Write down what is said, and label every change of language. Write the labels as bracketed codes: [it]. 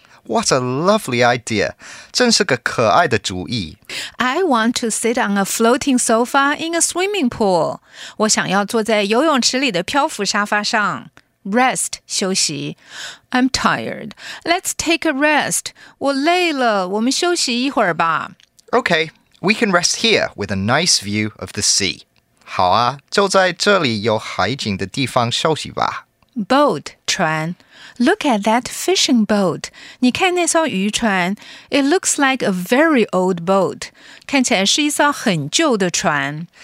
[en] What a lovely idea. [zh] 真是个可爱的主意。 [en] I want to sit on a floating sofa in a swimming pool. [zh] 我想要坐在游泳池里的漂浮沙发上。 [en] Rest, [zh] 休息。 [en] I'm tired. Let's take a rest. [zh] 我累了,我们休息一会儿吧。 [en] Okay, we can rest here with a nice view of the sea. [zh] 好啊,就在这里有海景的地方休息吧。 [en] Boat, [zh] 船。 [en] Look at that fishing boat. [zh] 你看那艘渔船。 [en] It looks like a very old boat. [zh] 看起来是一艘很旧的船。